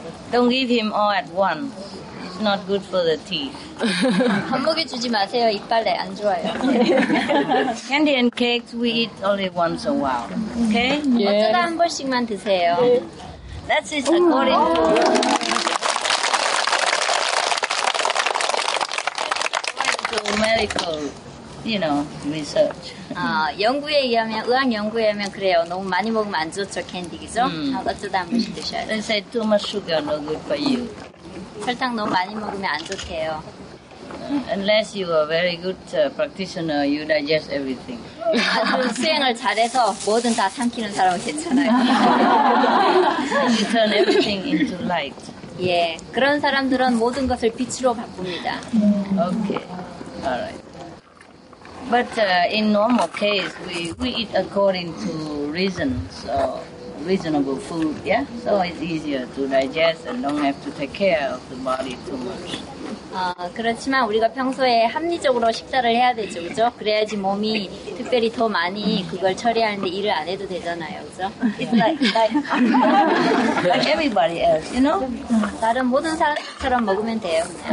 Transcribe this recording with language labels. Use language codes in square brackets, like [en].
[en] Don't give him all at once. It's not good for the teeth. [ko] 밥 먹이 주지 마세요. 이빨에 안 좋아요. [en] Candy and cakes we eat only once a while. Okay? Yeah. [ko] 어쩌다 한 번씩만 드세요. [en] Yeah. That's it. According to... to medical, you know, research. [ko] 연구에 의하면, 의학 연구에 의하면 그래요. 너무 많이 먹으면 안 좋죠, 캔디, 그죠? 어쩌다 한 번씩 드셔야 돼요. [en] They say too much sugar, no good for you. [ko] 설탕 너무 많이 먹으면 안 좋대요. [en] Unless you are a very good practitioner, you digest everything. [ko] 아주 수행을 잘해서 뭐든 다 삼키는 사람은 괜찮아요. [en] You turn everything into light. [ko] 예, 그런 사람들은 모든 것을 빛으로 바꿉니다. [en] Okay, alright. But in normal case, we eat according to reason, so reasonable food, yeah? So it's easier to digest and don't have to take care of the body too much. [ko] 그렇지만 우리가 평소에 합리적으로 식사를 해야 되죠, 그죠? 그래야지 몸이 특별히 더 많이 그걸 처리하는데 일을 안 해도 되잖아요, 그죠? [en] It's like everybody else, you know? [ko] 다른 모든 사람처럼 먹으면 돼요.